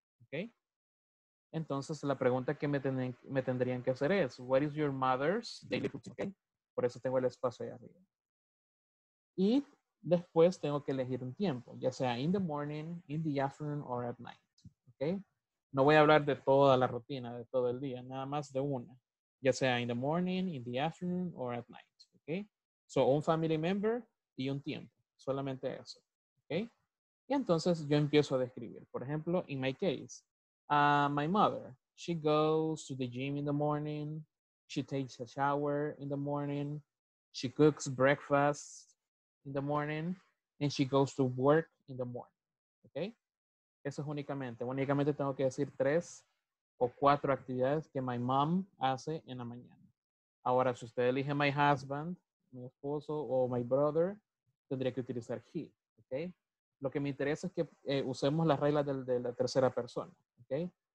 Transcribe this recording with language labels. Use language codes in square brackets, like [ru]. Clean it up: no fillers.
[es] ¿Ok? Entonces, la pregunta que me tendrían que hacer es, [en] what is your mother's daily routine? [es] Okay. Por eso tengo el espacio ahí arriba. Y después tengo que elegir un tiempo, ya sea [en] in the morning, in the afternoon, or at night. [es] Okay. No voy a hablar de toda la rutina, de todo el día, nada más de una. Ya sea [en] in the morning, in the afternoon, or at night. [es] Okay. So, un family member y un tiempo. Solamente eso. Okay. Y entonces yo empiezo a describir. [en] Por ejemplo, in my case, my mother, she goes to the gym in the morning, she takes a shower in the morning, she cooks breakfast in the morning, and she goes to work in the morning. [es] Okay? Eso es únicamente. Únicamente tengo que decir tres o cuatro actividades que my mom hace en la mañana. Ahora, si usted elige my husband, mi esposo, o my brother, tendría que utilizar he. Okay? Lo que me interesa es que usemos las reglas de la tercera persona. Okay?